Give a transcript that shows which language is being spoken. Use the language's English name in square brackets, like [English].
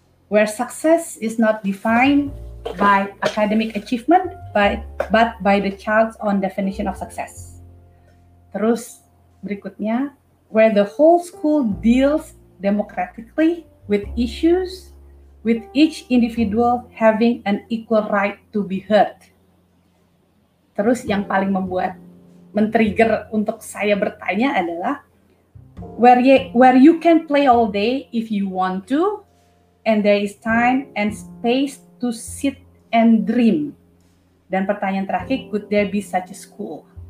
[English] Where success is not defined by academic achievement, but by the child's own definition of success. [Indonesian] Terus berikutnya, [English] where the whole school deals democratically with issues, with each individual having an equal right to be heard. [Indonesian] Terus yang paling membuat men-trigger untuk saya bertanya adalah, [English] where you can play all day if you want to, and there is time and space to sit and dream. [Indonesian] Dan pertanyaan terakhir, [English] could there be such a school?